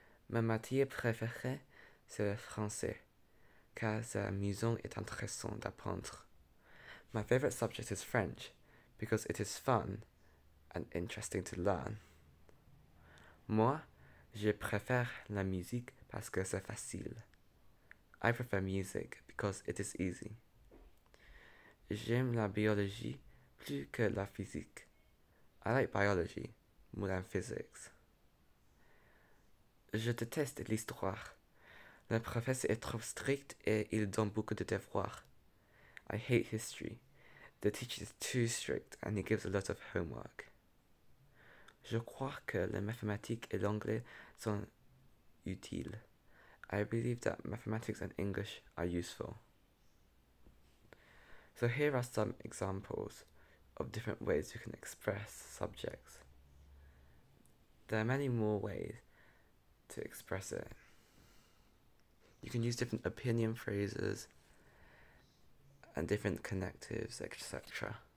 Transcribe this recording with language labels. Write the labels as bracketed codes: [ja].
[fr] Ma matière préférée, c'est le français, car c'est amusant et intéressant d'apprendre. [en] My favorite subject is French, because it is fun and interesting to learn. [fr] Moi, je préfère la musique parce que c'est facile. [en] I prefer music because it is easy. [fr] J'aime la biologie plus que la physique. [en] I like biology more than physics. [fr] Je déteste l'histoire. Le professeur est trop strict et il donne beaucoup de devoirs. [en] I hate history. The teacher is too strict and he gives a lot of homework. [fr] Je crois que les mathématiques et l'anglais sont utiles. [en] I believe that mathematics and English are useful. So here are some examples of different ways you can express subjects. There are many more ways to express it. You can use different opinion phrases and different connectives, etc.